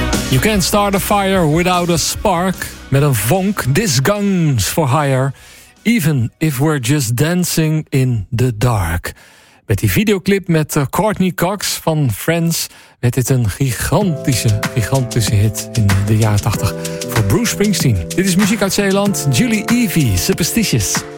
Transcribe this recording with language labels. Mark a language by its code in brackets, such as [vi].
[en] You can't start a fire without a spark. [nl] Met een vonk, [en] this gun's for hire. Even if we're just dancing in the dark. [nl] Met die videoclip met Courtney Cox van Friends werd dit een gigantische hit in de jaren 80 voor Bruce Springsteen. Dit is muziek uit Zeeland, Julie Ivy, Superstitious.